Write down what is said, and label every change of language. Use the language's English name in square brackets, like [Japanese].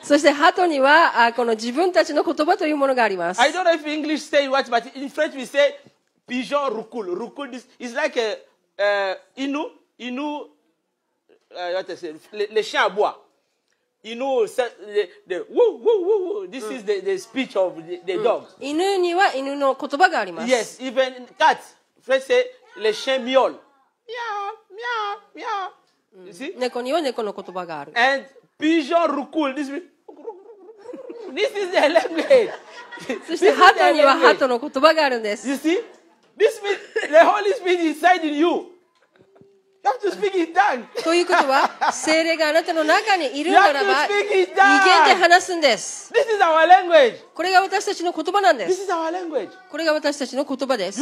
[Japanese] そして鳩にはこの自分たちの言葉というものがあります。 [English] I don't know if English say what, but in French we say pigeon roucoule. Roucoule is like a inu. [French] Les chiens aboient. [English] You know, the woo woo woo woo. This is the speech of the dog. [Japanese] 犬には犬の言葉があります。 [English] Yes, even cats. Friends say, [French] les chiens miaulent. [English] Miaou, miaou, miaou. You see? [Japanese] 猫には猫の言葉がある。 [English] And pigeon roucoule. This is their language. [Japanese] そして鳩には鳩の言葉があるんです。 [English] You see? This means the Holy Spirit inside in you. You have to speak in tongues. [Japanese] ということは、聖霊があなたの中にいるならば、異言で話すんです。 [English] This is our language. [Japanese] これが私たちの言葉なんです。 [English] This is our language. [Japanese] これが私たちの言葉です。